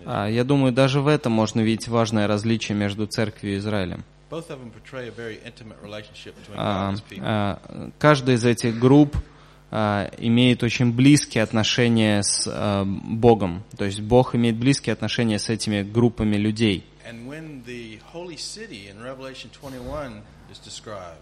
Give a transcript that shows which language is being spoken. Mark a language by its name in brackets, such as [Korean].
[Russian] Я думаю, даже в этом можно видеть важное различие между Церковью и Израилем. [English] Both of them portray a very intimate relationship between people. [Russian] Каждая из этих групп имеет очень близкие отношения с Богом. То есть Бог имеет близкие отношения с этими группами людей. [English] And when the holy city in Revelation 21 is described.